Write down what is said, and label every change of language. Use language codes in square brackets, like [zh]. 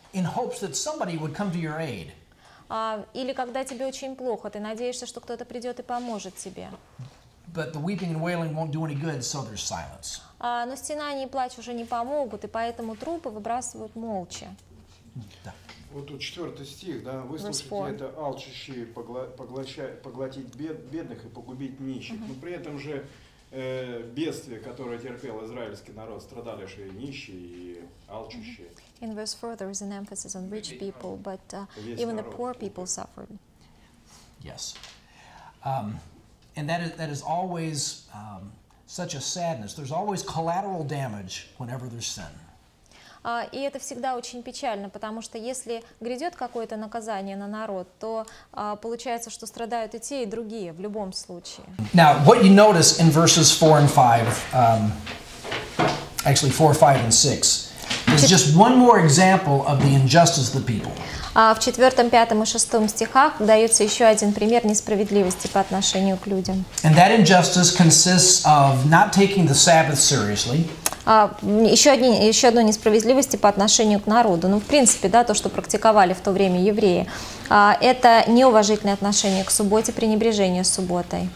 [en] In hopes that somebody would come to your aid. [ru] Или когда тебе очень плохо, ты надеешься, что кто-то придет и поможет тебе. [en] But the weeping and wailing won't do any good, so there's silence. [ru] Но стенания и плач уже не помогут, и поэтому трупы выбрасывают молча. Да. Вот тут четвертый стих, да, вы слушаете, это алчущие поглотить бедных и погубить нищих. Но при этом же бедствие, которое терпел израильский народ, страдали же и нищие, и алчущие. [en] In verse 4, there is an emphasis on rich people, but even the poor people suffered. Yes. And that is always such a sadness. There's always collateral damage whenever there's sin. [ru] И это всегда очень печально, потому что если грядет какое-то наказание на народ, то получается, что страдают и те, и другие в любом случае. [en] Now, what you notice in verses 4 and 5, actually 4, 5, and 6, it's just one more example of the injustice of the people. [ru] В 4, 5 и 6 стихах дается еще один пример несправедливости по отношению к людям. [en] And that injustice consists of not taking the Sabbath seriously. [ru] Еще одна несправедливость по отношению к народу. Ну, в принципе, да, то, что практиковали в то время евреи. Это неуважительное отношение к субботе, пренебрежение субботой.